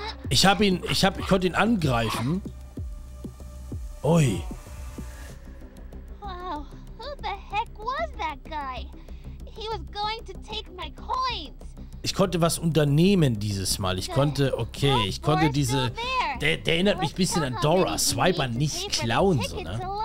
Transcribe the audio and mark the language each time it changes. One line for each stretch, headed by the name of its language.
German: Ich konnte ihn angreifen. Ui.
English: Wow, who the heck was that guy? He was going to take my coins.
German: Ich konnte was unternehmen dieses Mal. Ich konnte diese. Der erinnert mich ein bisschen an Dora. Swiper, nicht klauen, so, ne?